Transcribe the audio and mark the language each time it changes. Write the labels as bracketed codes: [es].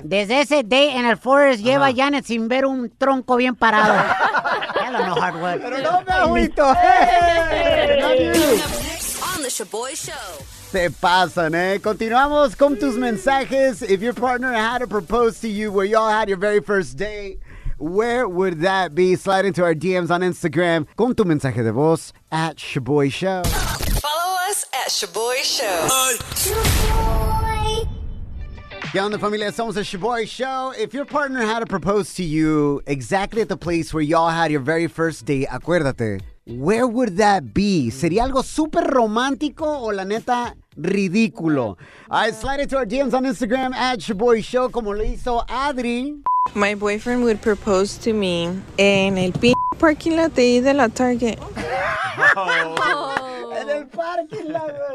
[es] Desde ese [en] day in the forest, [es] lleva Janet sin ver un tronco bien parado. [en] Hello, no hard work. [es] Pero no, mi abuelito. [en] Hey! Love you. On the Shaboy Show. [es] Se pasan, eh? Continuamos con tus mensajes. [en] If your partner had to propose to you where y'all had your very first date, where would that be? Slide into our DMs on Instagram. [es] Con tu mensaje de voz, at Shaboy Show. [en] Follow us at Shaboy Show. [es] Ya onda, familia, somos el Shaboy Show. [en] If your partner had to propose to you exactly at the place where y'all had your very first date, [es] acuérdate. [en] Where would that be? [es] ¿Sería algo super romántico o la neta ridículo? [en] I slide it to our DMs on Instagram at Shaboy Show [es] como lo hizo Adri. [en] My boyfriend would propose to me [es] en el parking lot de la Target. Oh. En el parking lot.